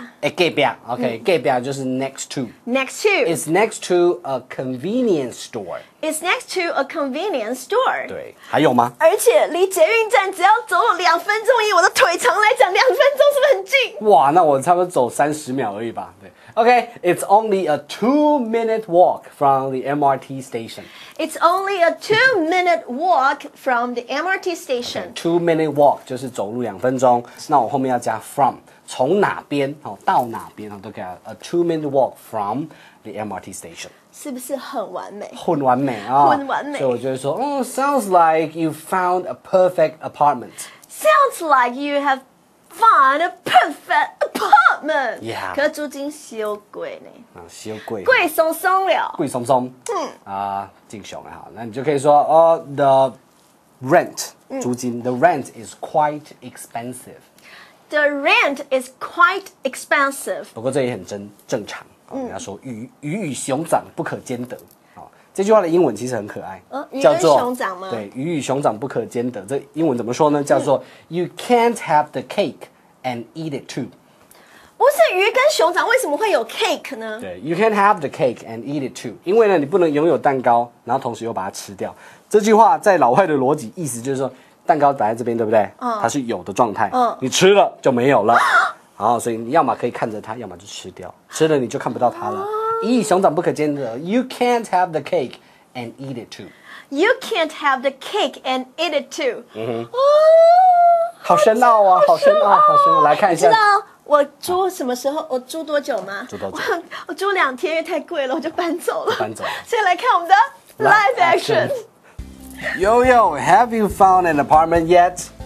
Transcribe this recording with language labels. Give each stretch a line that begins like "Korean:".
Chinese: 隔壁。OK， 隔壁就是 next to.
English: Next to. It's next to a convenience store. It's next to a convenience store.
Chinese: 对，还有吗？而且离捷运站只要走了两分钟，以我的腿长来讲，两分钟是不是很近？哇，那我差不多走三十秒而已吧。对。
English: Okay, it's only a 2-minute walk from the MRT station. It's only a 2-minute walk from the MRT station.
Chinese: Okay, 2-minute walk 就是走路两分钟。那我后面要加 from， 从哪边哦到哪边哦都可以。
English: A 2-minute walk from the MRT station，
Chinese: 是不是很完美？很完美啊，很完美。所以我觉得说，
English: sounds like you found a perfect apartment。 Sounds like you have found a perfect apartment. Yeah.
Chinese: 可是租金小贵呢？啊，小贵。贵松松了。贵松松。嗯。啊，正常的哈。那你就可以说，the rent 租金、
English: the rent is quite expensive. The rent is quite expensive.
Chinese: 不过这也很正常。你要说鱼与熊掌不可兼得。这句话的英文其实很可爱，叫做熊掌吗？对，鱼与熊掌不可兼得。这英文怎么说呢？叫做
English: You can't have the cake and eat it too。
Chinese: 不是鱼跟熊掌为什么会有 cake 呢？对
English: ，You can't have the cake and eat it too。
Chinese: 因为呢，你不能拥有蛋糕，然后同时又把它吃掉。这句话在老外的逻辑意思就是说，蛋糕摆在这边，对不对？它是有的状态。你吃了就没有了。好，所以你要么可以看着它，要么就吃掉。吃了你就看不到它了。鱼与熊掌不可兼得。
English: You can't have the cake and eat it too. You can't have the cake and eat it too.
Chinese: 嗯好深奥啊，好深奥，好深奥。来看一下。你知道我租什么时候？我租多久吗？租多久？我租两天，因为太贵了，我就搬走了。搬走。所以来看我们的 live action。
English: Yo yo, have you found an apartment yet?